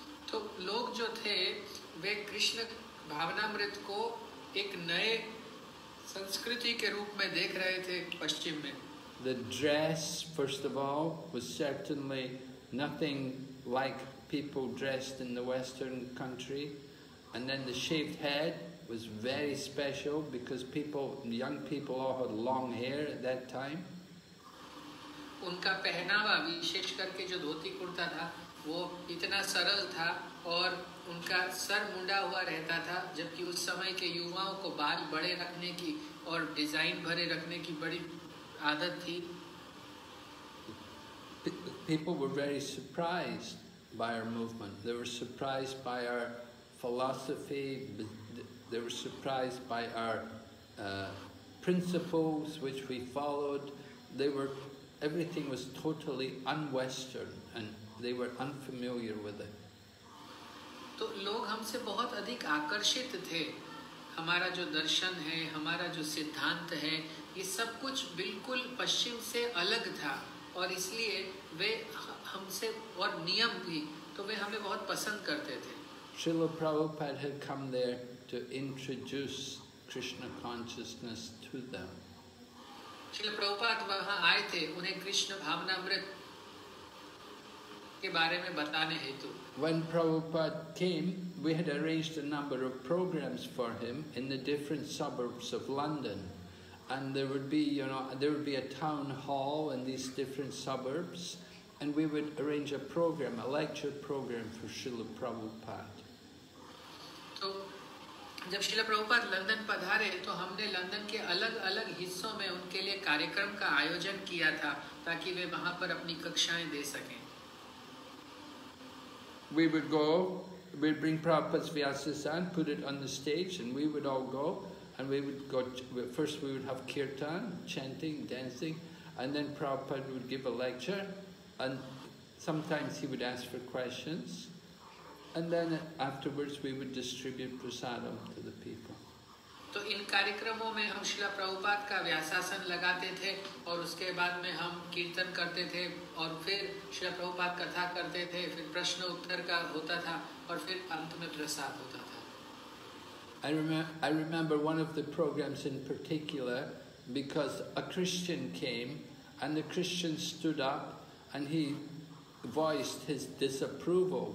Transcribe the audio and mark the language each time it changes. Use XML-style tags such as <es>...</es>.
<hi>तो लोग जो थे वे कृष्ण भावनामृत को एक नए संस्कृति के रूप में देख रहे थे पश्चिम में.</hi> <en>The dress, first of all, was certainly nothing like people dressed in the Western country. And then the shaved head was very special because people, young people all had long hair at that time.</en> <hi>उनका पहनावा, विशेष करके जो धोती कुर्ता था, वो इतना सरल था और उनका सर मुंडा हुआ रहता था, जबकि उस समय के युवाओं को बाल बड़े रखने की और डिजाइन भरे रखने की बड़ी आदत थी.</hi> <en>People were very surprised by our movement. They were surprised by our philosophy. They were surprised by our principles which we followed, they were, everything was totally un-Western and they were unfamiliar with it.</en> <hi>तो लोग हमसे बहुत अधिक आकर्षित थे, हमारा जो दर्शन है, हमारा जो सिद्धांत है, ये सब कुछ बिल्कुल पश्चिम से अलग था, और इसलिए वे हमसे और नियम भी, तो वे हमें बहुत पसंद करते थे।</hi> <en>Srila Prabhupada had come there to introduce Krishna consciousness to them.</en> <hi>Srila Prabhupada वहाँ आए थे, उन्हें कृष्ण भावनामृत के बारे में बताने हेतु।</hi> <en>When Prabhupada came, we had arranged a number of programs for him in the different suburbs of London. And there would be, you know, there would be a town hall in these different suburbs, and we would arrange a program, a lecture program for Srila Prabhupada. So, when Srila Prabhupada came to London, we had arranged a program for him in London. We would go, we'd bring Prabhupada's Vyasa and put it on the stage, and we would all go, and we would go, first we would have kirtan, chanting, dancing, and then Prabhupada would give a lecture, and sometimes he would ask for questions, and then afterwards we would distribute prasadam to the people.</en> <hi>तो इन कार्यक्रमों में हम श्रील प्रभुपाद का व्यासासन लगाते थे और उसके बाद में हम कीर्तन करते थे और फिर श्रील प्रभुपाद कथा करते थे फिर प्रश्न उत्तर का होता था और फिर अंत में प्रसाद होता था।</hi> <en>I remember one of the programs in particular because a Christian came and the Christian stood up and he voiced his disapproval.</en>